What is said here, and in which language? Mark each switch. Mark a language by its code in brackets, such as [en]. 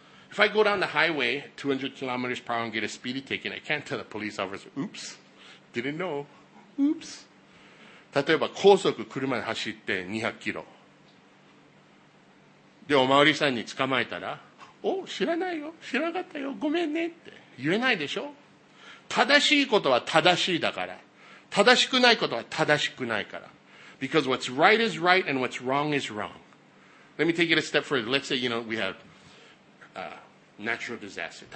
[en] If I go down the highway 200 kilometers per hour and get a speeding ticket, I can't tell the police officer, oops, didn't know, oops. [ja] 例えば高速車で走って 200 キロ。で、お巡りさんに捕まえたら、お、知らないよ、知らなかったよ、ごめんねって言えないでしょ。正しいことは正しいだから、正しくないことは正しくないから。 [en] Because what's right is right and what's wrong is wrong. Let me take it a step further. Let's say, you know, we have a natural disaster.